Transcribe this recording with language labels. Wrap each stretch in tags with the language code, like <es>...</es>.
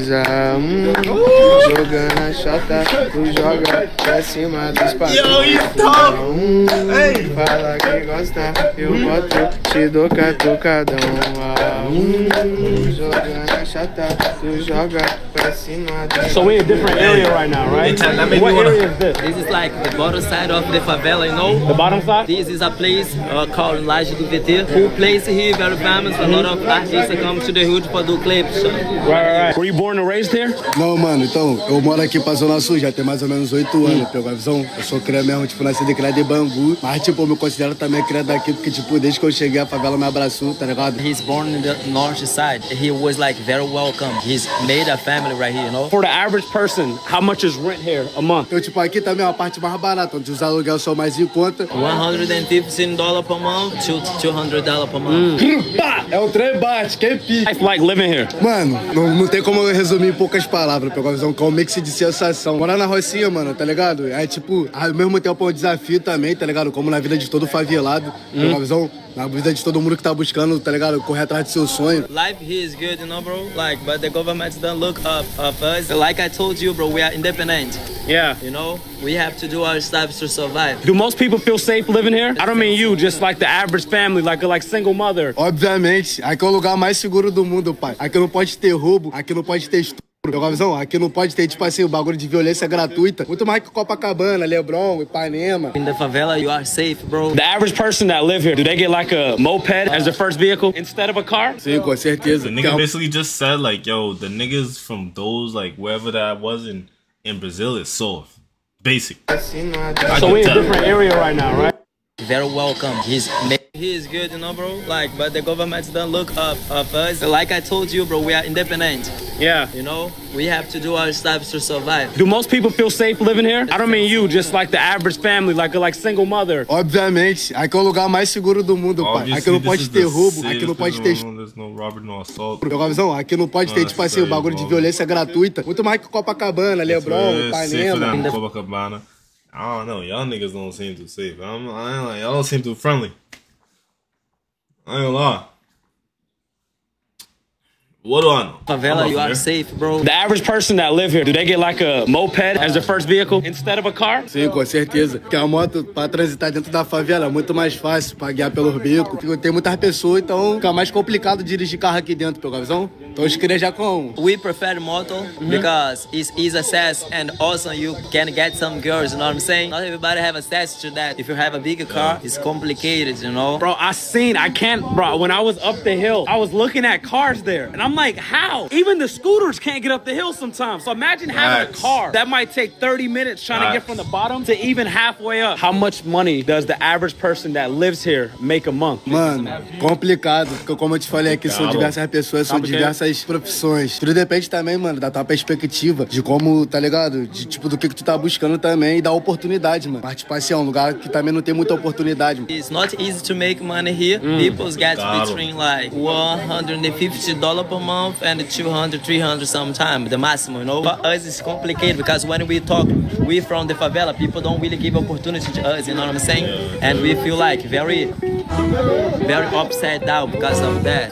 <pt>Ah, jogando a chota, tu joga pra cima dos</pt> <en>patrões. Yo, you top! Hey.</en> <pt>Fala que gosta, eu boto, te dou catucadão. Ah, jogando a chota, tu joga pra cima dos</pt> <en>patrões. So we're in a different area right now, right? What area is this? This is like the bottom side of the favela, you know? The bottom side? This is a place called Laje do VT. Cool place here, very famous. A lot of artists come to the hood for do clips. Right. Were you born and raised here?</en> <pt>Não, mano. Então, eu moro aqui pra Zona Sul já tem mais ou menos 8 anos. Pelo visão, eu sou cria mesmo, tipo, nasci de cria de Bangu. Mas, tipo, eu me considero também cria daqui, porque, tipo, desde que eu cheguei, a favela me abraçou, tá ligado?</pt> <en>He's born in the north side. He was, like, very welcome. He's made a family right here, you know? For the average person, how much is rent here a month?</en> <pt>Eu, tipo, aqui também é uma parte mais barata, onde os aluguel são mais em conta.</pt> <en>$115 per month to $200 per month.</en> <pt>É um trem bate, que pique.</pt> <en>I like living here.</en> <pt>Mano, não tem como eu resumir em poucas palavras, pegou a visão, que é um mix de sensação. Morar na Rocinha, mano, tá ligado? É, tipo, ao mesmo tempo é um desafio também, tá ligado? Como na vida de todo favelado, pegou a visão, na vida de todo mundo que tá buscando, tá ligado? Correr atrás de seus sonhos.</pt> <en>Life here is good, you know, bro? Like, but the government don't look up of us. Like I told you, bro, we are independent. Yeah. You know? We have to do our stuff to survive. Do most people feel safe living here? I don't mean you, just like the average family, like single mother.</en> <pt>Obviamente. Aqui é o lugar mais seguro do mundo, pai. Aqui não pode ter roubo, aqui não pode ter estupro. Pegou a visão? Aqui não pode ter, tipo assim, o bagulho de violência gratuita. Muito mais que Copacabana, Leblon, Ipanema.</pt> <en>In the favela, you are safe, bro. The average person that live here, do they get like a moped as their first vehicle instead of a car?</en> <pt>Sim, com certeza.</pt> <en>The nigga basically just said like, yo, the niggas from those, like, wherever that was in Brazil is soft. Basic. So we in a different area right now, right? Very welcome. He's good, you know, bro. Like, but the government don't look up of us. Like I told you, bro, we are independent. Yeah. You know, we have to do our stuff to survive. Do most people feel safe living here? I don't mean you, just like the average family, like single mother.</en> <pt>Obviamente, aqui é o lugar mais seguro do mundo, pai. Aqui não pode ter roubo, aqui não pode ter.</pt> <en>There's no robbery, no assault.</en> <pt>Aqui não pode ter, tipo assim, o bagulho de violência gratuita. Muito mais que Copacabana, Leblon, Ipanema. Copacabana.</pt> <en>I don't know, y'all niggas don't seem too safe. Y'all don't seem too friendly. I ain't gonna lie. What do I know? Favela, you are safe, bro. The average person that live here, do they get like a moped as their first vehicle instead of a car?</en> <pt>Sim, com certeza. Porque a moto pra transitar dentro da favela é muito mais fácil pra guiar pelos bicos. Tem muitas pessoas, então fica mais complicado dirigir carro aqui dentro, pelo visão. Então os crias já com.</pt> <en>We prefer moto because it's easy access and also you can get some girls, you know what I'm saying? Not everybody have access to that. If you have a bigger car, it's complicated, you know? Bro, when I was up the hill, I was looking at cars there. And I'm like, how? Even the scooters can't get up the hill sometimes. So imagine having a car that might take 30 minutes trying to get from the bottom to even halfway up. How much money does the average person that lives here make a month?</en> <pt>Mano, complicado. Porque como eu te falei aqui, são diversas pessoas, são diversas profissões. Tudo depende também, mano, da tua perspectiva. De como, tá ligado? De tipo, do que tu tá buscando também e da oportunidade, mano. Mas tipo assim, é um lugar que também não tem muita oportunidade. Mano.</pt> <en>It's not easy to make money here. People get between like $150 per month and $200-$300 sometimes, the maximum, you know. For us it's complicated because when we talk, we from the favela, people don't really give opportunity to us, you know what I'm saying? And we feel like very upset down because of that.</en>